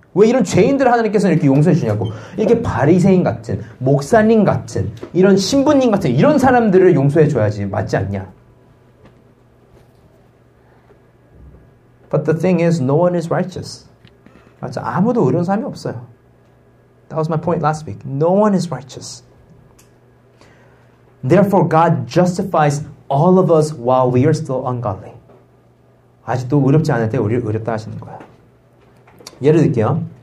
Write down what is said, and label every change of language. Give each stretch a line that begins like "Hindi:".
Korean: 왜 이런 죄인들 하나님께서 이렇게 용서해 주냐고. 이렇게 바리새인 같은, 목사님 같은, 이런 신부님 같은 이런 사람들을 용서해 줘야지 맞지 않냐.
English: But the thing is, no one is righteous.
Korean: 맞아, 아무도 의로운 사람이 없어요.
English: That was my point last week. No one is righteous. Therefore, God justifies all of us while we are still ungodly.
Korean: 아직도 의롭지 않을 때 우리를 의롭다 하시는 거야. 예를 들게요.